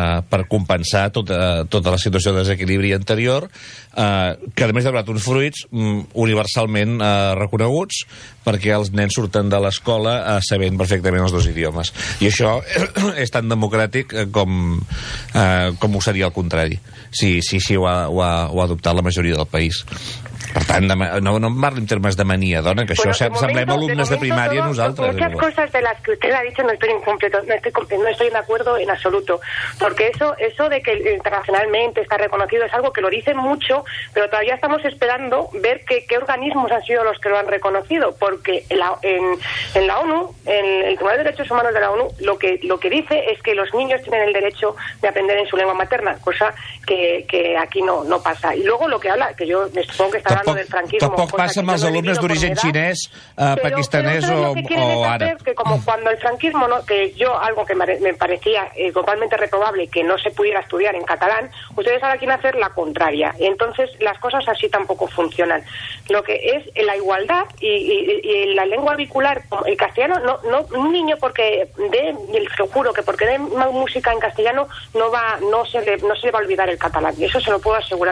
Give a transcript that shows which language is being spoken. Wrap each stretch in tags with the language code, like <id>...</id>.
<ca>per compensar tota la situació de desequilibri anterior, que a més ha donat uns fruits universalment reconeguts, perquè els nens surten de l'escola sabent perfectament els dos idiomes. I això és tan democràtic com ho seria el contrari, si ho ha adoptat la majoria del país. Per tant, no parlo en termes de mania, dona, que això semblem alumnes de primària nosaltres.</ca> <es>Muchas cosas de las que usted ha dicho no estoy de acuerdo en absoluto, porque eso de que internacionalmente está reconocido es algo que lo dicen mucho, pero todavía estamos esperando ver qué organismos han sido los que lo han reconocido, porque en la ONU, en el Tribunal de Derechos Humanos de la ONU, lo que dice es que los niños tienen el derecho de aprender en su lengua materna, cosa que aquí no pasa. Y luego lo que habla, que yo me supongo que está</es> <ca>Tampoc passa amb els alumnes d'origen xinès, pakistanès o àrab.</ca> <es>Que como cuando el franquismo, ¿no? Que yo algo que me parecía totalmente reprobable, que no se pudiera estudiar en catalán, ustedes ahora quieren hacer la contraria. Entonces las cosas así tampoco funcionan. Lo que es la igualdad y la lengua vehicular, el castellano, no un niño porque dé, se lo juro, que porque dé música en castellano no se le va a olvidar el catalán. Y eso se lo puedo asegurar.</es>